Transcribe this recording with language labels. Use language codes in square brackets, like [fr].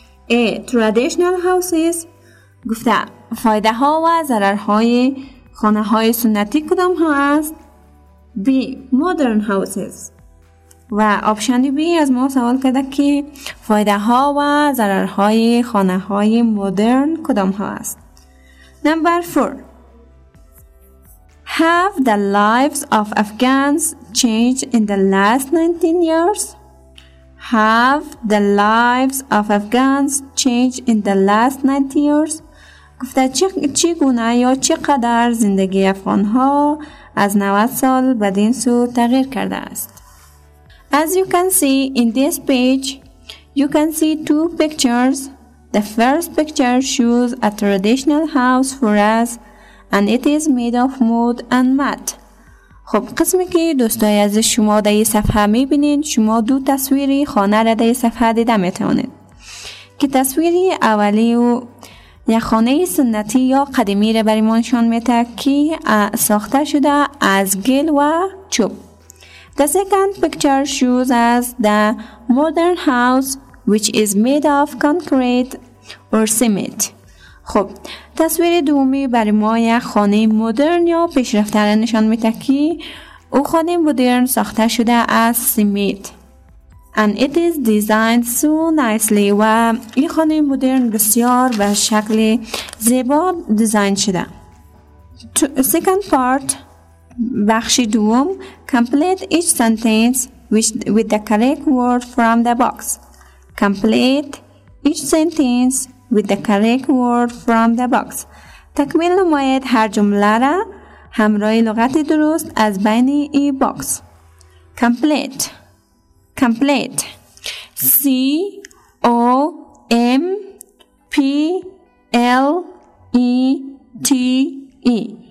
[en] A traditional houses [fa] گفته فایده ها و ضرر های خانه های سنتی کدام ها است؟ [en] B modern houses. [fa] و آپشن بی از ما سوال کرده که فایده ها و ضرر های خانه های مدرن کدام ها است. نمبر 4. [en] Have the lives of Afghans changed in the last 19 years? Have the lives of Afghans changed in the last 19 years? [fa] گفته چی گونه یا چی قدر زندگی افغان ها از 90 سال بدین سو تغییر کرده است. [en] As you can see in this page, you can see two pictures. The first picture shows a traditional house for us and it is made of mud and mat. [fa] خب قسمی که دوستای عزیز شما در این صفحه میبینین شما دو تصویری خانه را در این صفحه دیده میتونید. که تصویری اولی و یک خانه سنتی یا قدیمی را برای ما نشان میده که ساخته شده از گل و چوب. [en] The second picture shows us the modern house which is made of concrete or cement. [fa] خب تصویر دومی برای ما یک خانه مدرن یا پیشرفته را نشان می‌دهد که او خانه مدرن ساخته شده از سیمیت. [en] And it is designed so nicely. [fa] و این خانه مدرن بسیار به شکل زیبا دیزاین شده. [en] Second part [fa] بخش دوم [en] complete each sentence with the correct word from the box. Complete each sentence with the correct word from the box. [fa] تکمیل نماید هر جمله را همراه لغت درست از بین ای باکس. [en] Complete. Complete. C O M P L E T E.